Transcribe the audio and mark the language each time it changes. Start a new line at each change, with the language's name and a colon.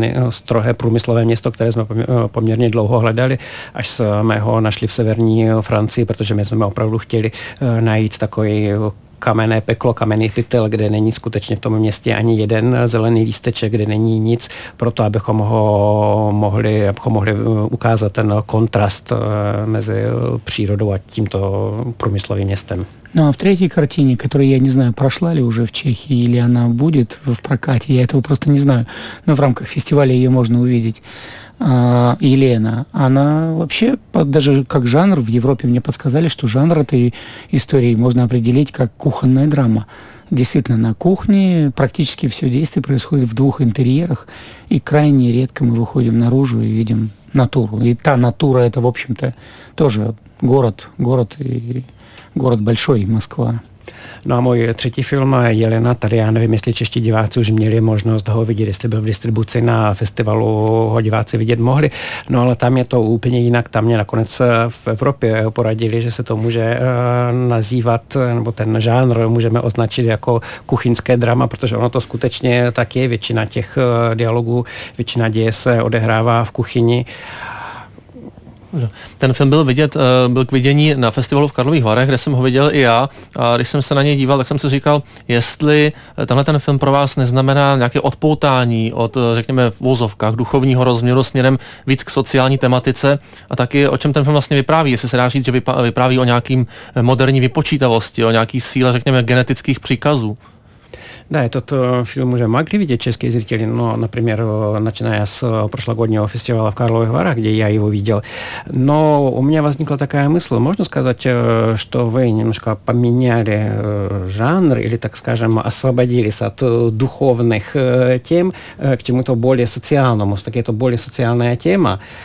Czech: strohé průmyslové město, které jsme poměrně dlouho hledali, až jsme ho našli v severní Francii, protože my jsme opravdu chtěli najít takový kamenné peklo, kamenný pytel, kde není skutečně v tom městě ani jeden zelený lísteček, kde není nic, proto abychom mohli ukázat ten kontrast mezi přírodou a tímto průmyslovým městem.
Russian: Ну а в третьей картине, которая, я не знаю, прошла ли уже в Чехии или она будет в прокате, я этого просто не знаю, но в рамках фестиваля ее можно увидеть, Елена, она вообще, даже как жанр в Европе мне подсказали, что жанр этой истории можно определить как кухонная драма. Действительно, на кухне практически все действие происходит в двух интерьерах, и крайне редко мы выходим наружу и видим натуру. И та натура, это, в общем-то, тоже город и... Город большой, Москва.
Czech: No a můj třetí film Jelena, tady já nevím, jestli čeští diváci už měli možnost ho vidět, jestli byl v distribuci na festivalu, ho diváci vidět mohli, no ale tam je to úplně jinak, tam mě nakonec v Evropě poradili, že se to může nazývat, nebo ten žánr můžeme označit jako kuchyňské drama, protože ono to skutečně tak je, většina těch dialogů, většina děje se odehrává v kuchyni. Ten film byl k vidění na festivalu v Karlových Varech, kde jsem ho viděl i já, a když jsem se na něj díval, tak jsem si říkal, jestli tenhle ten film pro vás neznamená nějaké odpoutání od, řekněme, v vozovkách duchovního rozměru směrem víc k sociální tematice a taky o čem ten film vlastně vypráví, jestli se dá říct, že vypráví o nějakým moderní vypočítavosti, o nějaký síle, řekněme, genetických příkazů.
Russian: Да, этот фильм уже могли видеть чешские зрители, но, например, начиная с прошлогоднего фестиваля в Карлових Варах, где я его видел, но у меня возникла такая мысль, можно сказать, что вы немножко поменяли жанр или, так скажем, освободились от духовных тем к чему-то более социальному, все-таки это более социальная тема.